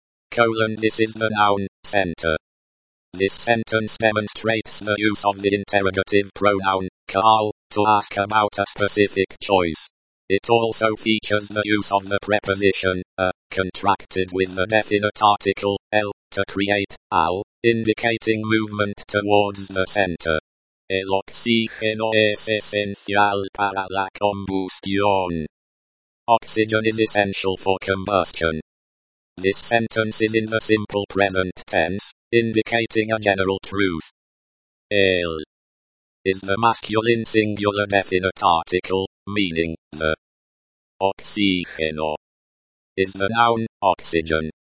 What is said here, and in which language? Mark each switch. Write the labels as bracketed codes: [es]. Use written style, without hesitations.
[en] Colon, this is the noun, center. This sentence demonstrates the use of the interrogative pronoun, Karl, to ask about a specific choice. It also features the use of the preposition, contracted with the definite article, el, to create, al, indicating movement towards the center. [es] El oxígeno es esencial para la combustión. [en] Oxygen is essential for combustion. This sentence is in the simple present tense, indicating a general truth. El is the masculine singular definite article, meaning the. Oxígeno is the noun, oxygen.